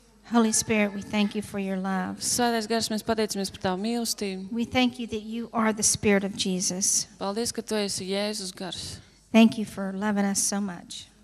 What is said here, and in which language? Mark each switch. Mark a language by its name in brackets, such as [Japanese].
[English] Holy Spirit, we thank you for your love. [Latvian] Svētais Gars, mēs pateicamies par tavu mīlestību. [English] We thank you that you are the Spirit of Jesus. [Latvian] Paldies, ka tu esi Jēzus Gars. [English] Thank you for loving us so much.